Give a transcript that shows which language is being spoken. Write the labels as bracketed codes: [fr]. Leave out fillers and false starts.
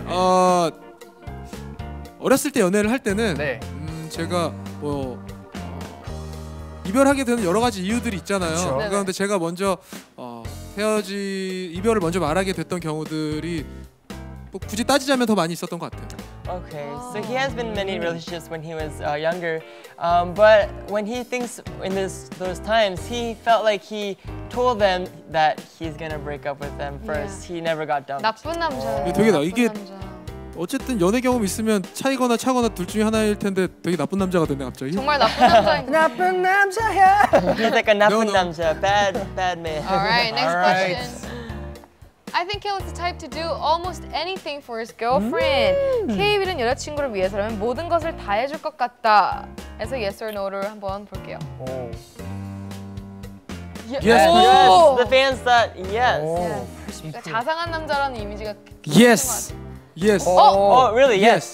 [ko] 근데 어렸을 때 연애를 할 때는 네. 제가 뭐 이별하게 되는 여러 가지 이유들이 있잖아요. 그렇죠. 그런데 제가 먼저 이별을 먼저 말하게 됐던 경우들이 뭐 굳이 따지자면 더 많이 있었던 것 같아요. [en] Okay, so he has been in many relationships when he was younger, but when he thinks in those times, he felt like he told them that he's gonna break up with them first. Yeah. He never got dumped. [ko] 나쁜 남자. 되게 이게 어쨌든 연애 경험 있으면 차이거나 차거나 둘 중에 하나일 텐데 되게 나쁜 남자가 됐네 갑자기. 정말 나쁜 남자. 나쁜 남자야. [en] He's like a [ko] 나쁜 남자. [en] Bad man. All right, next All right. question. I think K.Will is the type to do almost anything for his girlfriend. [ko] K.Will은 여자친구를 위해서라면 모든 것을 다 해줄 것 같다. 그래서 yes or no를 한번 볼게요. [en] Yes. Yes. The fans thought yes. [ko] 자상한 남자라는 이미지가 [en] yes. [ko] 것 같아. [en] Yes. Really? Yes.